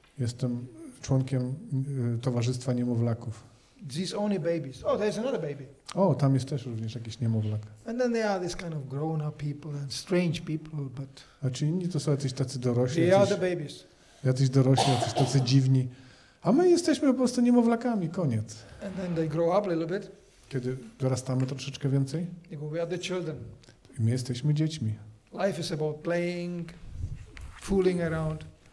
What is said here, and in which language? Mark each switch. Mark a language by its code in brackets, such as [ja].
[pl] Jestem członkiem Towarzystwa Niemowlaków. [en] These only babies. Oh, there's another baby. [pl] O, tam jest też również jakiś niemowlak. [en] And then there are these kind of grown-up people and strange people, but... [pl] A czy inni to są jacyś tacy dorośli? [en] They are the babies. [pl] Jacyś dorośli, jacyś tacy dziwni. A my jesteśmy po prostu niemowlakami, koniec. [en] And then they grow up a little bit. [pl] Kiedy dorastamy troszeczkę więcej? [en] We are the children. [pl] I my jesteśmy dziećmi. [en] Life is about playing, fooling around.